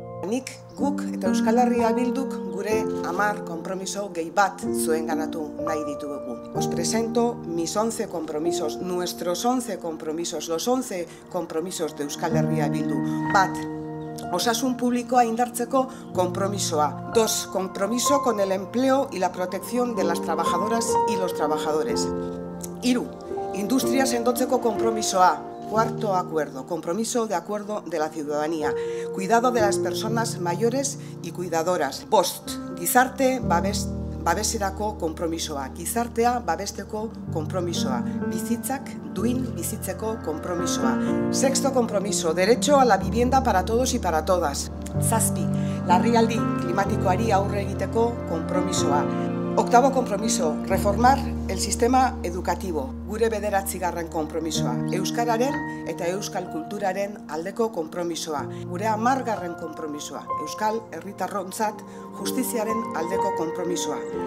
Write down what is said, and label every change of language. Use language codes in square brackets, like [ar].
[eu] nik, guk eta Euskal Herria Bilduk gure 10 konpromiso gehi bat zuenganatu nahi ditugu. [es] Os presento mis 11 compromisos, nuestros 11 compromisos, los 11 compromisos de Euskal Herria Bildu. [eu] Bat, osasun publikoa indartzeko konpromisoa. [es] Dos, compromiso con el empleo y la protección de las trabajadoras y los trabajadores. [eu] Hiru, industria sendotzeko konpromisoa. [es] Cuarto acuerdo, compromiso de acuerdo de la ciudadanía, cuidado de las personas mayores y cuidadoras. [eu] Bost, gizarte babeserako konpromisoa, gizartea babesteko konpromisoa, bizitzak duin bizitzeko konpromisoa. [es] Sexto compromiso, derecho a la vivienda para todos y para todas. [eu] Zazpi, larrialdi klimatikoari aurre egiteko konpromisoa. [es] Octavo compromiso, reformar el sistema educativo. [eu] Gure 9. compromisoa, euskararen eta euskal kulturaren aldeko compromisoa. Gure 10. compromisoa, euskal herritarrontzat justiziaren aldeko compromisoa.